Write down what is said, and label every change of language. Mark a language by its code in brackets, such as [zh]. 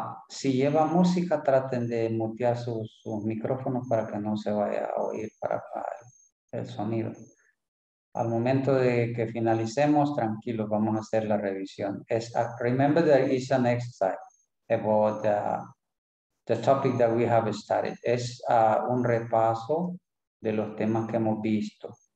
[es] Si lleva música, traten de mutear sus micrófonos para que no se vaya a oír para el sonido. Al momento de que finalicemos, tranquilos, vamos a hacer la revisión. [en] Remember, there is an exercise about the topic that we have studied. [es] Es un repaso de los temas que hemos visto.